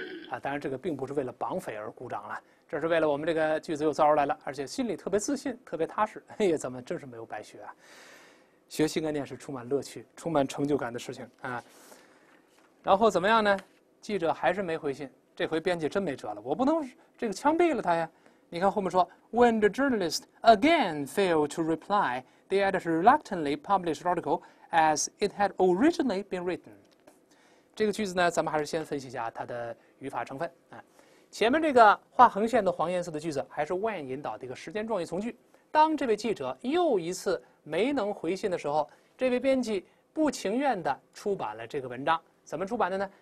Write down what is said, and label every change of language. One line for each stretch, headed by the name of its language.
Chinese: 啊，当然这个并不是为了绑匪而鼓掌了，这是为了我们这个句子又造出来了，而且心里特别自信，特别踏实。哎呀，咱们真是没有白学啊！学新概念是充满乐趣、充满成就感的事情啊。然后怎么样呢？记者还是没回信。这回编辑真没辙了，我不能这个枪毙了他呀。你看后面说
English: ,When the journalist again failed to reply, the editor reluctantly published the article as it had originally been written.
Chinese: 这个句子呢，咱们还是先分析一下它的语法成分。前面这个画横线的黄颜色的句子还是 when 引导的一个时间状语从句。当这位记者又一次没能回信的时候，这位编辑不情愿地出版了这个文章。怎么出版的呢？